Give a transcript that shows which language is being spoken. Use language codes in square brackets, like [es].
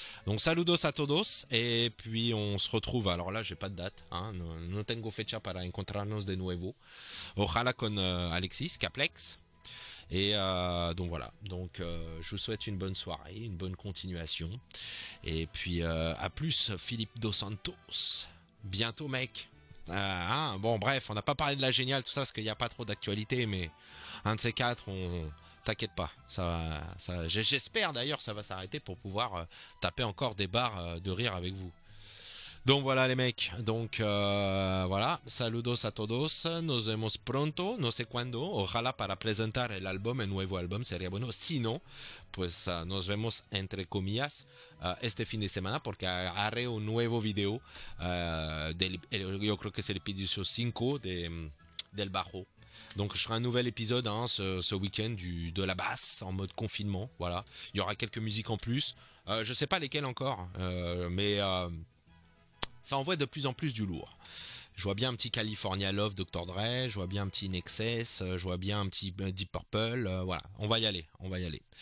[fr] Donc [es] saludos a todos, [fr] et puis on se retrouve, alors là j'ai pas de date, hein. [es] No tengo fecha para encontrarnos de nuevo. Ojalá con Alexis, Caplex. [fr] Et donc voilà, donc je vous souhaite une bonne soirée, une bonne continuation. Et puis à plus, Philippe Dos Santos. Bientôt, mec. Bon, bref, on n'a pas parlé de la géniale, tout ça, parce qu'il n'y a pas trop d'actualité, mais un de ces quatre, t'inquiète pas. Ça, j'espère d'ailleurs que ça va s'arrêter pour pouvoir taper encore des barres de rire avec vous. Donc voilà les mecs, donc voilà, [es] saludos a todos, nos vemos pronto, no sé cuándo, ojalá para presentar el álbum, el nuevo álbum, sería bueno, si no, pues nos vemos entre comillas este fin de semana, porque haré un nuevo video, yo creo que es el episodio 5 del bajo. [fr] Donc je ferai un nouvel épisode, hein, ce week-end de la basse en mode confinement, voilà, il y aura quelques musiques en plus, je sais pas lesquelles encore, mais... ça envoie de plus en plus du lourd. Je vois bien un petit California Love, Dr. Dre. Je vois bien un petit Nexus. Je vois bien un petit Deep Purple. Voilà, on va y aller. On va y aller.